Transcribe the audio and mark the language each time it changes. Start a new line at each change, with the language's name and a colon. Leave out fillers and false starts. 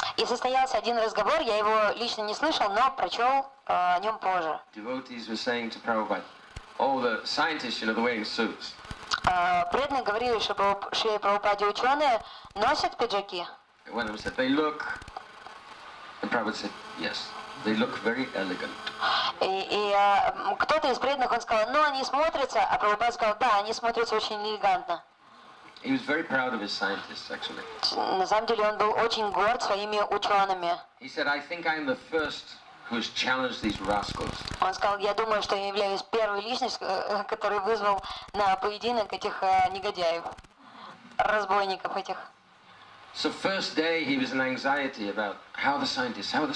Russian: И состоялся один разговор, я его лично не слышал, но прочел о нем позже.
English: Devotees were saying to Prabhupada, "Oh, the scientists, you know, they're wearing suits."
Russian: Преданные говорили, что Шриле Прабхупаде ученые носят пиджаки.
English: One of them said, "They look." And Prabhupada said, "Yes, they look very elegant."
Russian: И кто-то из преданных, он сказал, "Ну, они смотрятся." А Прабхупада сказал, "Да, они смотрятся очень элегантно."
English: He was very proud of his scientists, actually.
Russian: На самом деле он был очень горд своими учеными.
English: He said, "I think I'm the first who has challenged these rascals."
Russian: Он сказал, я думаю, что я являюсь первой личностью, который вызвал на поединок этих негодяев, разбойников этих.
English: So first day he was in anxiety about how the scientists.